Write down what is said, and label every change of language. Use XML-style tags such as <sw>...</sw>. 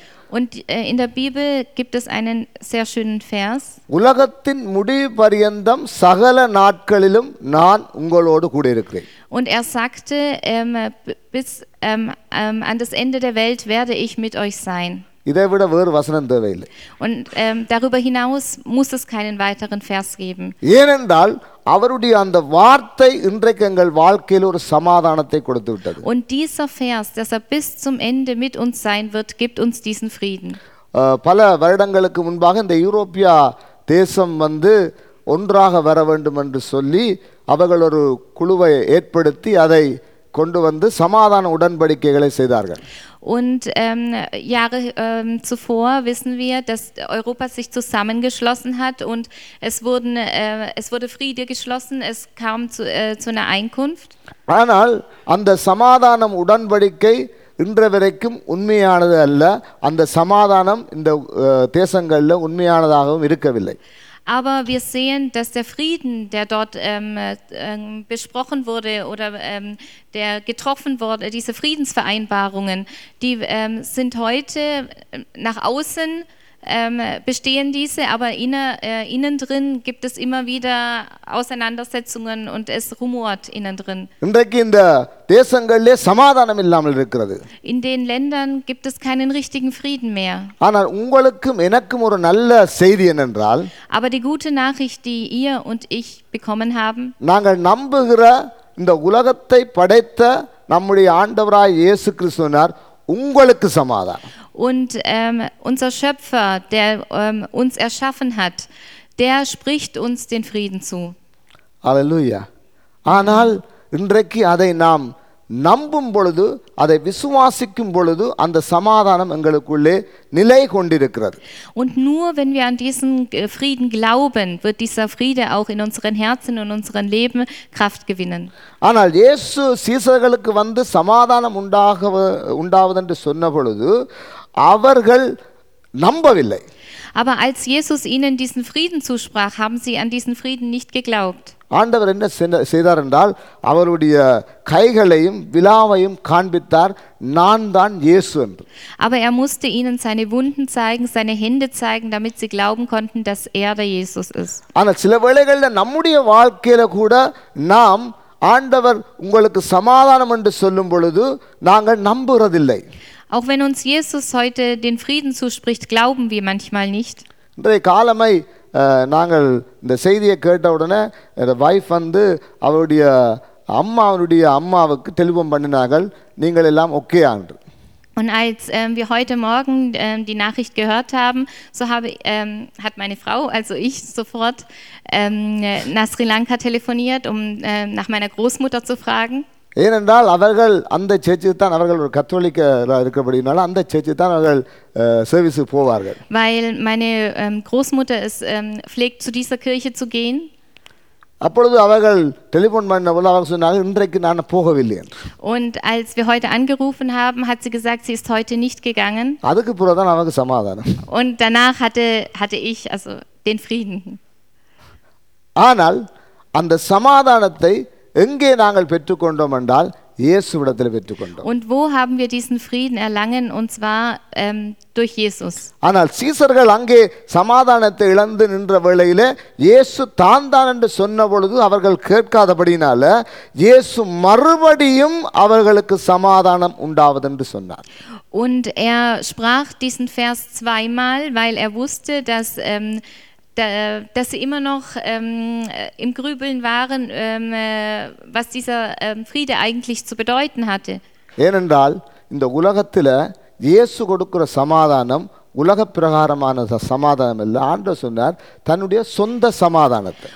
<de>Und in der Bibel gibt es einen sehr schönen Vers.</de> <ta>உலகத்தின் முடிவு பரியந்தம் சகல நாட்களிலும் நான் உங்களோடு கூட இருக்கிறேன்.</ta> <de>Und er sagte, bis an das Ende der Welt werde ich mit euch sein.</de> <ta>இதை விட வேறு வசனம் தேவையில்லை.</ta> <de>Und darüber hinaus muss es keinen weiteren Vers geben.</de> <ta>ஏனென்றால் அவருடைய அந்த வார்த்தை இன்றைக்கு எங்கள் வாழ்க்கையில் ஒரு சமாதானத்தை கொடுத்து விட்டது.</ta> <de>Und dieser Vers, dass er bis zum Ende mit uns sein wird, gibt uns diesen Frieden.</de> <ta>பல வருடங்களுக்கு முன்பாக இந்த யூரோப்பியா தேசம் வந்து ஒன்றாக வர வேண்டும் என்று சொல்லி அவர்கள் ஒரு குழுவை ஏற்படுத்தி அதை கொண்டு வந்து சமாதான உடன்படிக்கைகளை செய்தார்கள்.</ta> <de>Und Jahre zuvor wissen wir, dass Europa sich zusammengeschlossen hat und es wurde Friede geschlossen, es kam zu einer Einkunft.</de> <ta>ஆனால் அந்த சமாதானம் உடன்படிக்கை இன்று வரைக்கும் உண்மையானது அல்ல. அந்த சமாதானம் இந்த தேசங்களில் உண்மையானதாகவும் இருக்கவில்லை.</ta> <de>Aber wir sehen, dass der Frieden, der dort besprochen wurde oder der getroffen wurde, diese Friedensvereinbarungen, die sind heute nach außen bestehen diese, aber innen drin gibt es immer wieder Auseinandersetzungen und es rumort innen drin. In den Ländern gibt es keinen richtigen Frieden mehr. Aber die gute Nachricht, die ihr und ich bekommen haben,</de> <ta>நாங்கள் நம்புகிற இந்த உலகத்தை படைத்த நம்முடைய ஆண்டவராய் இயேசு கிறிஸ்துவினர் உங்களுக்கு சமாதானம்.</ta> <de>Und unser Schöpfer, der uns erschaffen hat, der spricht uns den Frieden zu. Halleluja.</de> <ta>ஆனால் இன்றைக்கு அதை நாம் நம்பும் பொழுது, அதை விசுவாசிக்கும் பொழுது அந்த சமாதானம் எங்களுக்குள்ளே நிலை கொண்டிருக்கிறது.</ta> <de>Und nur wenn wir an diesen Frieden glauben, wird dieser Friede auch in unseren Herzen und unseren Leben Kraft gewinnen.</de> <ta>ஆனால் இயேசு சீசர்களுக்கு வந்து சமாதானம் உண்டாவதென்று சொன்ன பொழுது அவர்கள் நம்பவில்லை.</ta> <de>Aber als Jesus ihnen diesen Frieden zusprach, haben sie an diesen Frieden nicht geglaubt.</de> <ta>ஆண்டவர் என்ன செய்தார் என்றால் அவருடைய கைகளையும் விலாவையும் காண்பித்தார், நான் தான் இயேசு என்று.</ta> <de>Aber er musste ihnen seine Wunden zeigen, seine Hände zeigen, damit sie glauben konnten, dass er der Jesus ist.</de> <ta>ஆனால் சில வேளைகளில் நம்முடைய வாழ்க்கையில கூட நாம் ஆண்டவர் உங்களுக்கு சமாதானம் என்று சொல்லும் பொழுது நாங்கள் நம்புறதில்லை.</ta> <de>Auch wenn uns Jesus heute den Frieden zuspricht, glauben wir manchmal nicht.</de> <ta>காலமை நாங்கள் இந்த செய்தியை கேட்ட உடனே என்னோட வைஃப் வந்து அவருடைய அம்மாவுடைய அம்மாவுக்கு தெளிவம் பண்ணினார்கள், நீங்கள் எல்லாம் ஓகே என்று.</ta> <de>Und als wir heute Morgen die Nachricht gehört haben, so hat meine Frau, also ich, sofort nach Sri Lanka telefoniert, um nach meiner Großmutter zu fragen.</de> <ta>ஏனென்றால் அவர்கள் அந்த சர்ச்சு தான், அவர்கள் ஒரு கத்தோலிக்க இருக்கப்படினால அந்த சர்ச்சு தான் அவர்கள் சர்வீஸுக்கு போவார்கள்.</ta> <de>Weil meine Großmutter ist pflegt zu dieser Kirche zu gehen.</de> <ta>அப்பொழுது அவர்கள் டெலிபோன் பண்ணவுள்ள அவர்கள் சொன்னார்கள், இன்றைக்கு நான் போகவில்லை என்று.</ta> <de>Und als wir heute angerufen haben, hat sie gesagt, sie ist heute nicht gegangen.</de> <ta>அதுக்கு பிறகு தான் அவருக்கு சமாதானம்.</ta> <de>Und danach hatte ich also den Frieden.</de> <ta>ஆனால் அந்த சமாதானத்தை எங்கே நாங்கள் பெற்றுக்கொண்டோம் என்றால் இயேசுவிடத்தில் பெற்றுக்கொண்டோம்.</ta> <de>Und wo haben wir diesen Frieden erlangen, und zwar durch Jesus.</de> <ta>ஆனால் சீசர்கள் அங்கே சமாதானத்தை இழந்து நின்ற வேளையிலே இயேசு தான் தான் என்று சொன்ன பொழுது அவர்கள் கேட்காதபடியினால இயேசு மறுபடியும் அவர்களுக்கு சமாதானம் உண்டாவது என்று சொன்னார்.</ta> <de>Und er sprach diesen Vers zweimal, weil er wusste, dass sie immer noch im Grübeln waren, was dieser Friede eigentlich zu bedeuten hatte.</de> <ta>ஏனென்றால் இந்த உலகத்தில் இயேசு கொடுக்கிற சமாதானம் உலகப்பிரகாரமான சமாதானம் அல்ல. ஆண்டவர் சொன்னார் தன்னுடைய சொந்த சமாதானத்தை.</ta>